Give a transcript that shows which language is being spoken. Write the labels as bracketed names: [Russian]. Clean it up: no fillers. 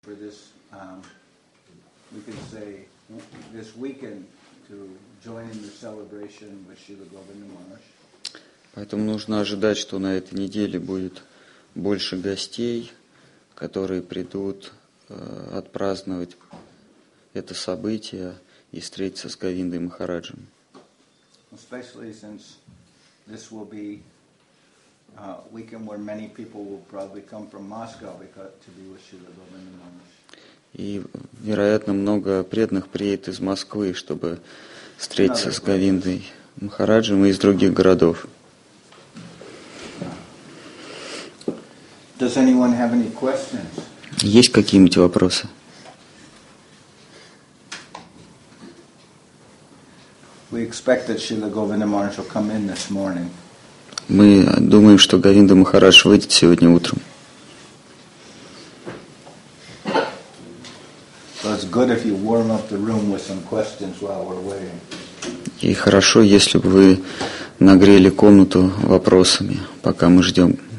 [English] for this, we could say, this weekend to join in the celebration with Srila Govinda Maharaj. [Russian] Поэтому нужно ожидать, что на этой неделе будет больше гостей, которые придут отпраздновать это событие и встретиться с Говиндой Махараджем. [English] Especially since this will be a weekend where many people will probably come from Moscow because to be with Srila Govinda Maharaj. [Russian] И, вероятно, много преданных приедет из Москвы, чтобы встретиться с Говиндой Махараджем и из других городов. [English] Does anyone have any questions? [Russian] Есть какие-нибудь вопросы? [English] We expect that Srila Govinda Maharaj will come in this morning. [Russian] Мы думаем, что Говинда Махарадж выйдет сегодня утром. [English] So it's good if you warm up the room with some questions while we're waiting. [Russian] И хорошо, если бы вы нагрели комнату вопросами, пока мы ждем.